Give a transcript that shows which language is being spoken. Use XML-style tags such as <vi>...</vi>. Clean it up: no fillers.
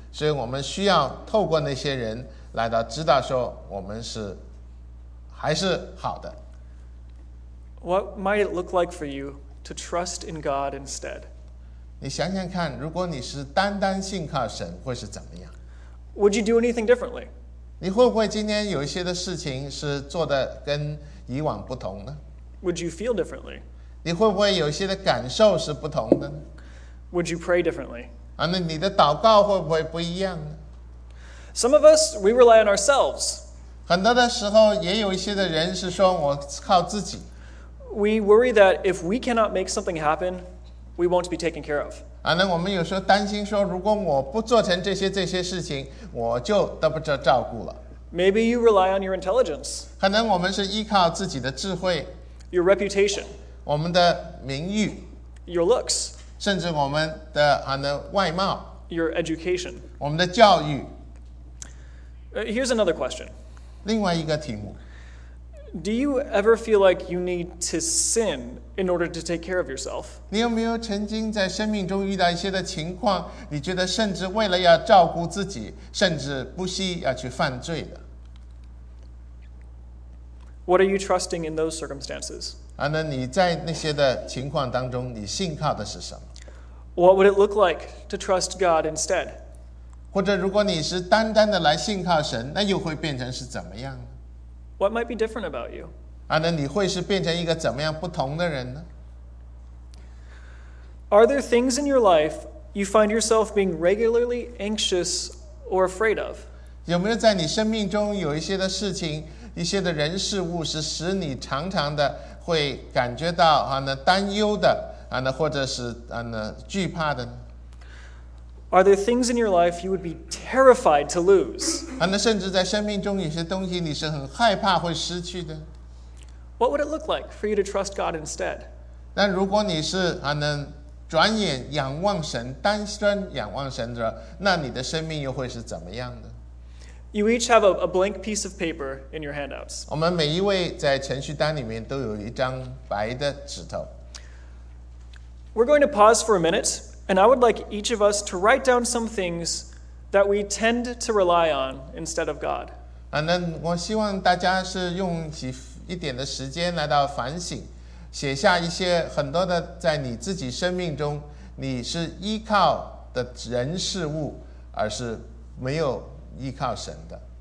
<zh>所以我们需要透过那些人来到知道说我们是还是好的。</zh> <en>What might it look like for you to trust in God instead?</en> <zh>你想想看，如果你是单单信靠神，会是怎么样</zh> <en>？Would you do anything differently？</en> <zh>你会不会今天有一些的事情是做的跟以往不同呢</zh> <en>？Would you feel differently？</en> <zh>你会不会有一些的感受是不同的</zh> <en>？Would you pray differently？</en> <zh>那你的祷告会不会不一样呢</zh> <en>？Some of us we rely on ourselves。</en> <zh>很多的时候，也有一些的人是说我靠自己。</zh> <en>we worry that if we cannot make something happen, we won't be taken care of.</en> <zh>那我们有时候担心说，如果我不做成这些事情，我就得不到照顾了。</zh> <en>Maybe you rely on your intelligence.</en> <zh>可能我们是依靠自己的智慧。</zh> <en>Your reputation.</en> <zh>我们的名誉。</zh> <en>Your looks.</en> <zh>甚至我们的外貌。</zh> <en>Your education.</en> <zh>我们的教育。</zh> <en>Here's another question.</en> <zh>另外一个题目。</zh> <en>Do you ever feel like you need to sin in order to take care of yourself?</en> <zh>你有没有曾经在生命中遇到一些的情况，你觉得甚至为了要照顾自己，甚至不惜要去犯罪的？</zh> <en>What are you trusting in those circumstances?</en> <zh>那你在那些的情况当中，你信靠的是什么？</zh> <en>What would it look like to trust God instead?</en> <zh>或者如果你是单单的来信靠神，那又会变成是怎么样？</zh> <en>What might be different about you?</en> <zh>那你会是变成一个怎么样不同的人呢？</zh> <en>Are there things in your life you find yourself being regularly anxious or afraid of?</en> <zh>有没有在你生命中有一些的事情，一些的人事物是使你常常的会感觉到担忧的，或者是惧怕的呢？</zh> <en>Are there things in your life you would be terrified to lose?</en> <zh>那甚至在生命中有些东西你是很害怕会失去的。</zh> <en>What would it look like for you to trust God instead?</en> <zh>那如果你是转眼仰望神，单身仰望神者，那你的生命又会是怎么样的？</zh> <en>You each have a blank piece of paper in your handouts.</en> <zh>我们每一位在程序单里面都有一张白的纸头。</zh> <en>We're going to pause for a minute, and I would like each of us to write down some things that we tend to rely on instead of God.</en> <zh>那我希望大家是用一点的时间来到反省，写下一些很多的在你自己生命中你是依靠的人事物，而是没有依靠神的。</zh>